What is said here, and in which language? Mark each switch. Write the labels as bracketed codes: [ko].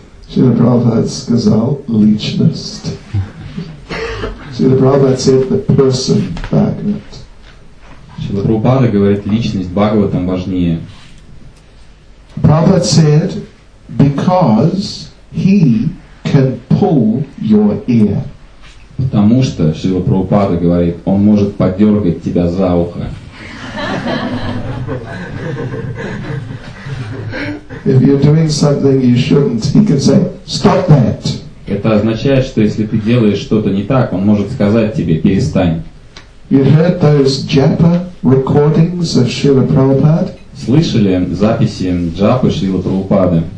[ru] Шрила Прабхупада сказал личность. [en] Шрила Прабхупада said the person Bhagavat. [ru] Шрила Прабхупада говорит, личность Бхагаватам важнее. [en] Prabhupada said, because he can pull your ear. [ru] Потому что, Шрила Прабхупада говорит, он может подергать тебя за ухо. [en] If you're doing something you shouldn't, he can say, stop that. [ru] Это означает, что если ты делаешь что-то не так, он может сказать тебе, перестань. [en] You heard those japa recordings of Srila Prabhupada? [ru] Слышали записи джапы Шрилы Прабхупады?